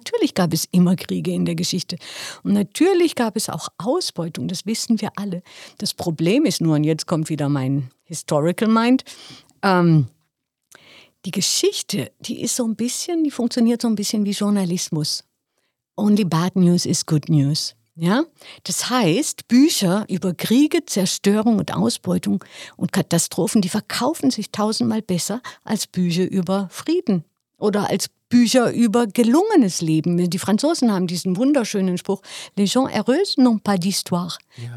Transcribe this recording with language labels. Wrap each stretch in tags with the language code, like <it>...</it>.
<de>Natürlich gab es immer Kriege in der Geschichte. Und natürlich gab es auch Ausbeutung, das wissen wir alle. Das Problem ist nur, und jetzt kommt wieder mein Historical Mind, die Geschichte, die ist so ein bisschen, die funktioniert so ein bisschen wie Journalismus.</de> <en>Only bad news is good news.</en> <de>Ja, das heißt, Bücher über Kriege, Zerstörung und Ausbeutung und Katastrophen, die verkaufen sich tausendmal besser als Bücher über Frieden oder als Bücher über gelungenes Leben. Die Franzosen haben diesen wunderschönen Spruch,</de> <fr>les gens heureux n'ont pas d'histoire.</fr> <de>Ja.</de>